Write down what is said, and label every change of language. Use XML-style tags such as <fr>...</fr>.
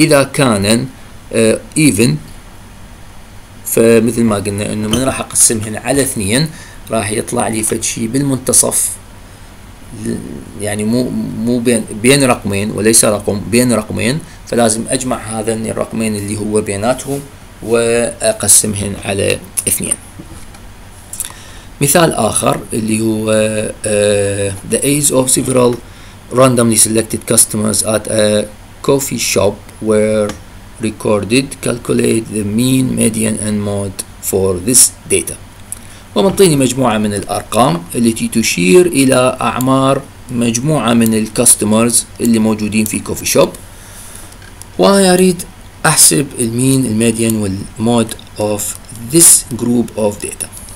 <ar>اذا كان even فمثل ما قلنا انه من راح اقسمهن على 2 راح يطلع لي فد شيء بالمنتصف، يعني مو بين رقمين وليس رقم، بين رقمين، فلازم اجمع هذين الرقمين اللي هو بيناتهم واقسمهن على 2. مثال اخر اللي هو</ar> <en>the age of several randomly selected customers at a coffee shop were recorded. Calculate the mean, median, and mode for this data.</en> <ar>ومنطيني مجموعة من الأرقام التي تشير إلى أعمار مجموعة من الكاستمرز اللي موجودين في كوفي شوب، ويريد أحسب المين الميديان والمود</ar> <en>of this group of data.</en>